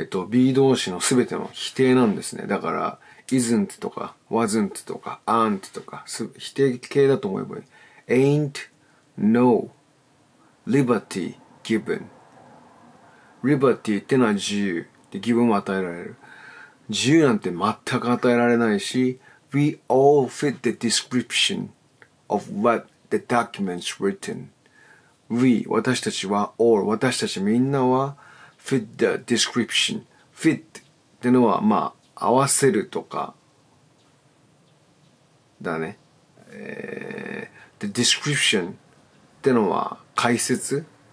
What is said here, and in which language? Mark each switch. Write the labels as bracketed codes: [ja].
[ja] be 動詞のすべての否定なんですね。だから isn't とか wasn't とか aren't とか否定形だと思えばいい。 [en] ain't no liberty given。 [ja] liberty ってのは自由で、 given も与えられる。自由なんて全く与えられないし、 [en] We all fit the description of what the document's written. We, 私たちは、all, 私たちみんなは fit the description. [ja] Fit ってのは、まあ、合わせるとか、だね。 The description ってのは解説。